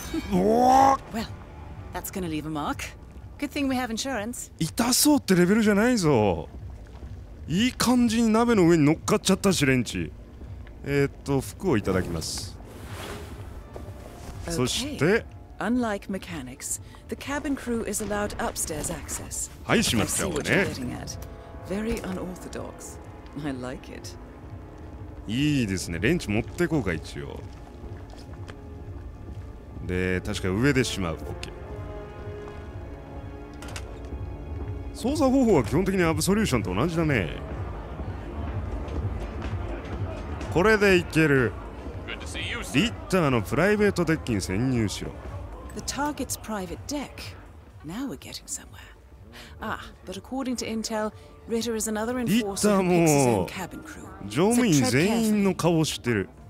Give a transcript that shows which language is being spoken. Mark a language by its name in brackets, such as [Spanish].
[English] Well, that's gonna leave a mark. Good thing we have insurance. [Japanese] 痛そうってレベルじゃないぞ。いい感じに鍋の上に乗っかっちゃったし、レンチ。服をいただきます。そして、 [English] Unlike mechanics, the cabin crew is allowed upstairs access. [Japanese] はい、しましたよね。 [English] Very unorthodox. I like it. [Japanese] いいですね。レンチ持ってこうか、一応。で、確か上でしまう。OK。操作方法は基本的にアブソリューションと同じだね。これでいける。リッターのプライベートデッキに潜入しろ。 [English] The target's private deck. Now we're getting somewhere. Ah, but according to intel, Ritter is another enforcer who picks his own cabin crew. [Japanese] 乗務員全員の顔を知ってる。